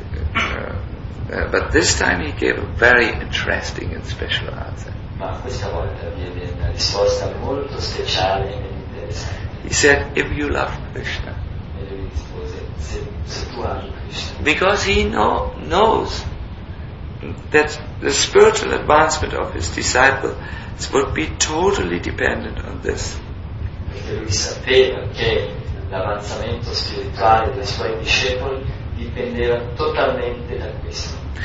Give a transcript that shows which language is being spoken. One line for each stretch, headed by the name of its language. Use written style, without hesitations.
English: But this time he gave a very interesting and special answer.
Italian: Ma questa volta viene una risposta molto speciale e interessante.
English: He said, if you love Krishna.
Italian: E lui rispose, se tu ami Krishna.
English: Because he knows that the spiritual advancement of his disciple would be totally dependent on this.
Italian: Perché lui sapeva che l'avanzamento spirituale dei suoi discepoli dipendeva totalmente da questo.